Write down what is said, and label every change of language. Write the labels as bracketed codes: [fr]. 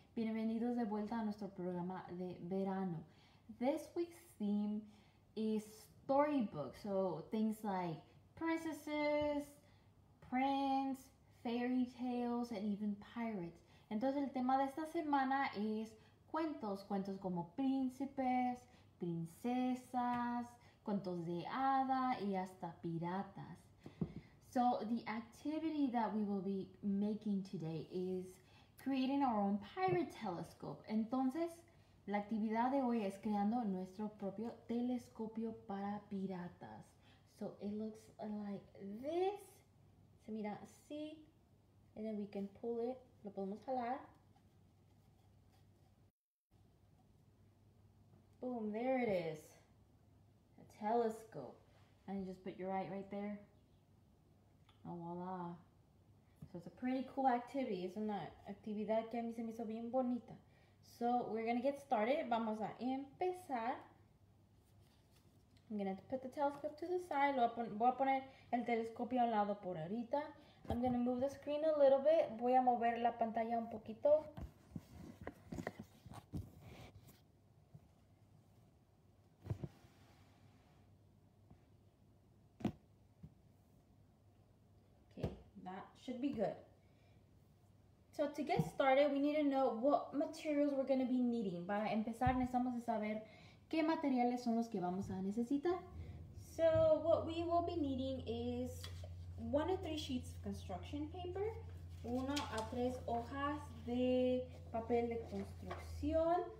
[es] Bienvenidos de vuelta a nuestro programa de verano. [en] This week's theme is storybooks, so things like princesses, prince, fairy tales, and even pirates. [es] Entonces el tema de esta semana es cuentos como príncipes, princesas, cuentos de hada y hasta piratas. [en] So the activity that we will be making today is creating our own pirate telescope. [es] Entonces, la actividad de hoy es creando nuestro propio telescopio para piratas. [en] So it looks like this. [es] Se mira así. [en] And then we can pull it. [es] Lo podemos jalar. [en] Boom, there it is. A telescope. And you just put your eye right there. Oh, voila. So it's a pretty cool activity, isn't it? [es] Actividad que a mí se me hizo bien bonita. [en] So we're going to get started. [es] Vamos a empezar. [en] I'm going to put the telescope to the side. [es] Voy a poner el telescopio a un lado por ahorita. [en] I'm going to move the screen a little bit. [es] Voy a mover la pantalla un poquito. [en] Should be good. So to get started, we need to know what materials we're going to be needing. [es] Para empezar, necesitamos saber qué materiales son los que vamos a necesitar. [en] So what we will be needing is 1 to 3 sheets of construction paper, [es] 1 a 3 hojas de papel de construcción,